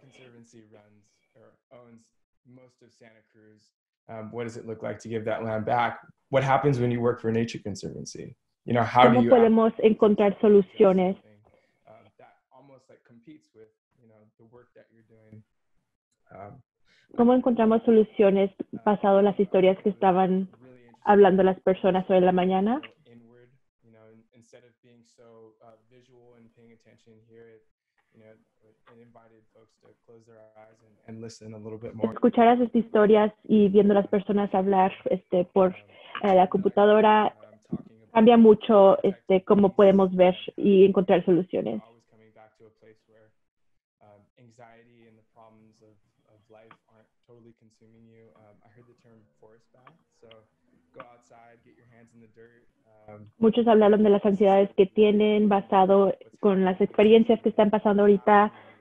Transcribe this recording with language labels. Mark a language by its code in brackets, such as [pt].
[en] Conservancy runs or owns most of Santa Cruz. What does it look like to give that land back? What happens when you work for Nature Conservancy? You know, how do you [es] podemos encontrar soluciones [en] that almost like competes with, you know, the work that you're doing? [es] ¿Cómo encontramos soluciones basado en las historias que estaban hablando las personas hoy en la mañana? [en] know, instead of being so visual and paying attention here, it invited folks to close their eyes and listen a little bit more. [es] Escuchar esas historias y viendo las personas hablar por la computadora cambia mucho cómo podemos ver y encontrar soluciones. [en] Always coming back to a place where anxiety and the problems of life aren't totally consuming you. I heard the term forest bath, so go outside, get your hands in the dirt. [es] Muchos hablaron de las ansiedades que tienen basado con las experiencias que están pasando ahorita.